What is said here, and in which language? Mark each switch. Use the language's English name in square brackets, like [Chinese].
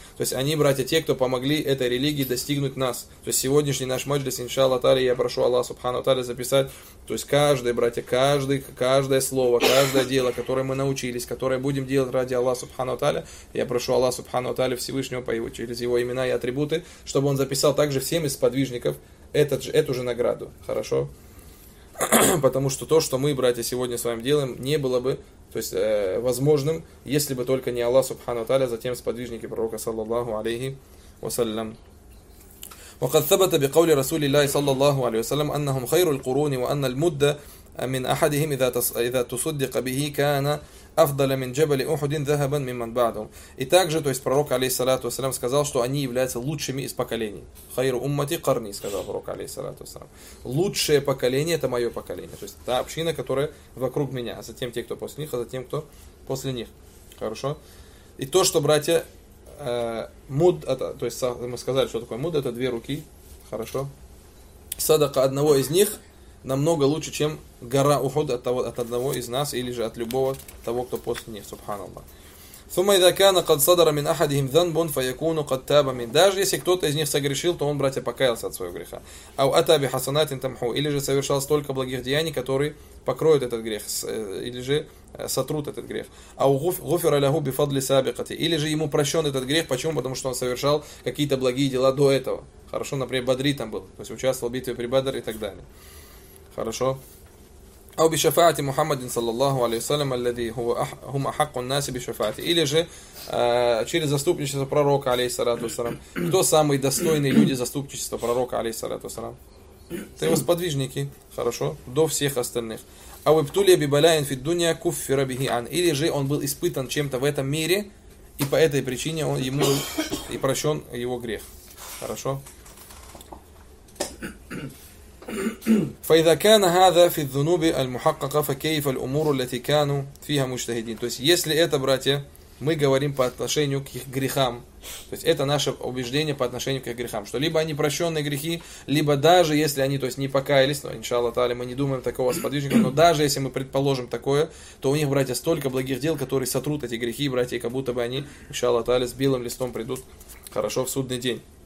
[Russian] То есть они, братья, те, кто помогли этой религии достигнуть нас. То есть сегодняшний наш маджлис, иншалла тали, я прошу Аллах, субханно тали, записать, то есть каждый, братья, каждое слово, каждое дело, которое мы научились, которое будем делать ради Аллаха, субханно тали, я прошу Аллах, субханно тали, Всевышнего, через его имена и атрибуты, чтобы он записал также всем из сподвижников эту же награду, хорошо? Потому что то, что мы, братья, сегодня с вами делаем, не было бы, то есть, возможным, если бы только не Аллах Субхану Тааля, затем сподвижники пророка, саллаллаху алейхи вассалям. [Arabic] وقد ثبت بقول رسول الله صلى الله عليه وسلم أنهم خير القرون وأن المدة من أحدهم إذا تصدق به كان أفضل من جبل أحد ذهبا ممن بعدهم. [Russian] И также, то есть пророк, алейхиссалату вассалям, сказал, что они являются лучшими из поколений. Хайру уммати карни, сказал пророк, алейхиссалату вассалям. Лучшее поколение — это мое поколение. То есть та община, которая вокруг меня, а затем те, кто после них, а затем кто после них. Хорошо? И то, что, братья, муд, то есть мы сказали, что такое муд, это две руки. Хорошо? Садака одного из них, намного лучше, чем гора Ухуд от, того, от одного из нас или же от любого того, кто после них. Субханаллах. [Arabic] ثم إذا كان قد صدر من أحدهم ذنب فيكون قد تاب من [Russian] даже если кто-то из них согрешил, то он, братья, покаялся от своего греха. [Arabic] أو أتى بحسنات تمحو, [Russian] или же совершал столько благих деяний, которые покроют этот грех, или же сотрут этот грех. [Arabic] أو غفر له بفضل سابقته, [Russian] или же ему прощен этот грех. Почему? Потому что он совершал какие-то благие дела до этого. Хорошо, например, Бадри там был, то есть участвовал в битве при Бадре и так далее. Хорошо. [Arabic] أو بشفاعة محمد صلى الله عليه وسلم الذي هو هم أحق الناس بشفاعة [Russian] или же через заступничество пророка алейхиссалату вассалам. Кто самые достойные люди заступничества пророка алейхиссалату вассалам? Это его сподвижники, хорошо, до всех остальных. [Arabic] أو ابتلي ببلاء في الدنيا كفر به عن, [Russian] или же он был испытан чем-то в этом мире и по этой причине он ему и прощен его грех. Хорошо. [Arabic] فإذا كان هذا في الذنوب المحققة فكيف الأمور التي كانوا فيها مجتهدين. [Russian] То есть если это, братья, мы говорим по отношению к их грехам, то есть это наше убеждение по отношению к их грехам, что либо они прощенные грехи, либо даже если они, то есть не покаялись, но иншаллах тааля, мы не думаем такого сподвижника, но даже если мы предположим такое, то у них, братья, столько благих дел, которые сотрут эти грехи, братья, как будто бы они, иншаллах тааля, с белым листом придут хорошо в судный день.